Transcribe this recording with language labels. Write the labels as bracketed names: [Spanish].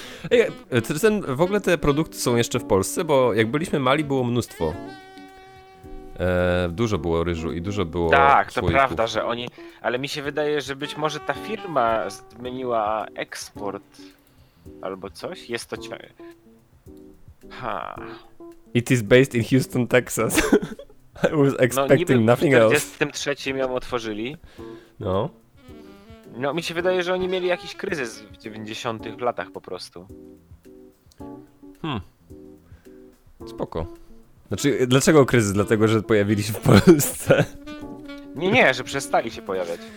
[Polish] Ej, w ogóle te produkty są jeszcze w Polsce, bo jak byliśmy mali, było mnóstwo. Dużo było ryżu i dużo było słoików. Tak, to prawda, że oni... Ale mi się wydaje, że być może ta firma zmieniła eksport albo coś. Jest to ciągle... [English] It is based in Houston, Texas. I was expecting nothing else. [Polish] No niby w 43 ją otworzyli. No. No mi się wydaje, że oni mieli jakiś kryzys w 90-tych latach po prostu. Spoko. Znaczy, dlaczego kryzys? Dlatego, że pojawili się w Polsce? Nie, że przestali się pojawiać.